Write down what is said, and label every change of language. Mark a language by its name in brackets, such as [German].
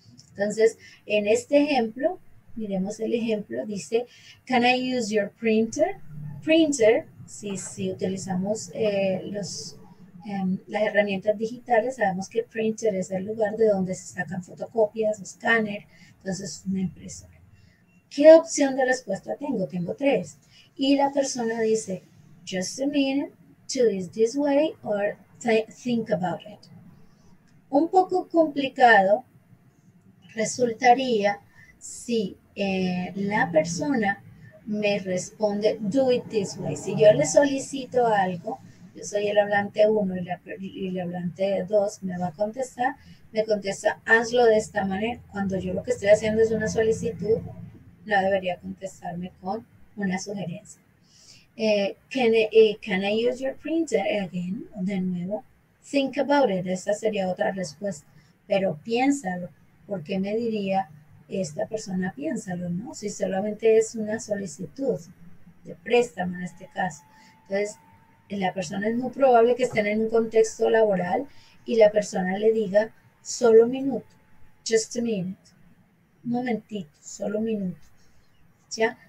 [Spanish] Entonces, en este ejemplo, miremos el ejemplo, dice, [English] Can I use your printer? [Spanish] Printer, si utilizamos las herramientas digitales, sabemos que printer es el lugar de donde se sacan fotocopias, escáner, entonces es una impresora. ¿Qué opción de respuesta tengo? Tengo tres. Y la persona dice, [English] Just a minute, to is this way or think about it. [Spanish] Un poco complicado resultaría si la persona me responde, [English] Do it this way. [Spanish] Si yo le solicito algo, yo soy el hablante 1 y el hablante 2 me va a contestar, me contesta, hazlo de esta manera. Cuando yo lo que estoy haciendo es una solicitud, no debería contestarme con una sugerencia. [English] Can I use your printer again? [Spanish] De nuevo, [English] think about it. [Spanish] Esa sería otra respuesta. Pero piénsalo, ¿por qué me diría esta persona piénsalo, ¿no? Si solamente es una solicitud de préstamo en este caso. Entonces, la persona es muy probable que estén en un contexto laboral y la persona le diga, solo un minuto, [English] just a minute, [Spanish] un momentito, solo un minuto. ¿Ya?